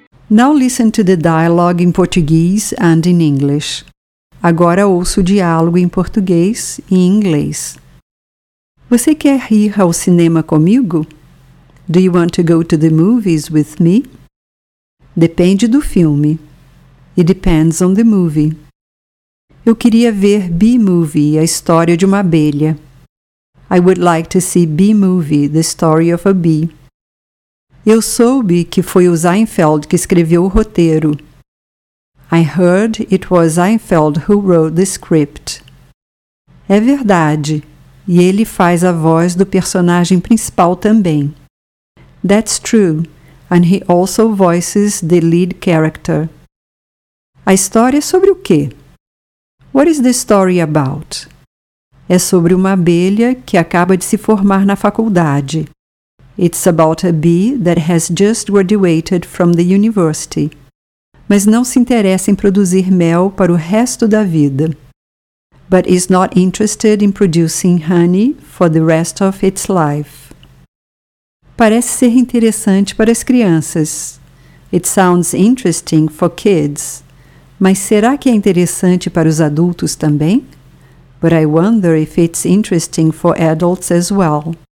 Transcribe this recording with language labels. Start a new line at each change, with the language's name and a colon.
English: Now listen to the dialogue in Portuguese and in English.
Portuguese: Agora ouça o diálogo em português e em inglês. Você quer ir ao cinema comigo?
English: Do you want to go to the movies with me?
Portuguese: Depende do filme.
English: It depends on the movie.
Portuguese: Eu queria ver Bee Movie, a história de uma abelha.
English: I would like to see Bee Movie, the story of a bee.
Portuguese: Eu soube que foi o Seinfeld que escreveu o roteiro.
English: I heard it was Seinfeld who wrote the script.
Portuguese: É verdade. E ele faz a voz do personagem principal também.
English: That's true, and he also voices the lead character.
Portuguese: A história é sobre o quê?
English: What is the story about?
Portuguese: É sobre uma abelha que acaba de se formar na faculdade.
English: It's about a bee that has just graduated from the university,
Portuguese: mas não se interessa em produzir mel para o resto da vida.
English: But is not interested in producing honey for the rest of its life.
Portuguese: Parece ser interessante para as crianças.
English: It sounds interesting for kids.
Portuguese: Mas será que é interessante para os adultos também?
English: But I wonder if it's interesting for adults as well.